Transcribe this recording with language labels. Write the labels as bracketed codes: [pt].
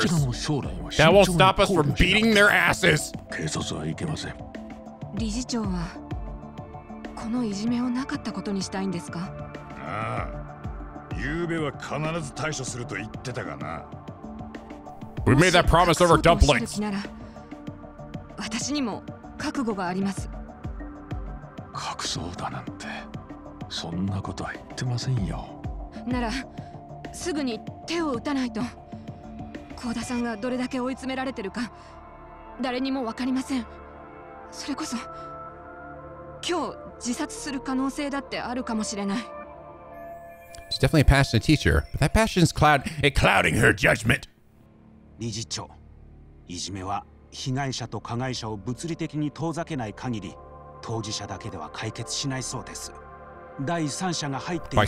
[en] That won't stop us from beating their asses. [ja] 警察はいけません。理事長はこのいじめをなかったことにしたいんですか。ああ、昨夜は必ず対処すると言ってたがな。 [en] We made that promise over dumplings. [ja] 私にも 覚悟があります。隠そうだなんて、そんなことは言ってませんよ。なら、すぐに手を打たないと。高田さんがどれだけ追い詰められてるか、誰にも分かりません。それこそ、今日自殺する可能性だってあるかもしれない。 [en] She's definitely a passionate teacher, but that passion is clouding her judgment. [ja] 理事長、いじめは 被害者と加害者を物理的に遠ざけない限り、当事者だけでは解決しないそうです。第三者が入っていない。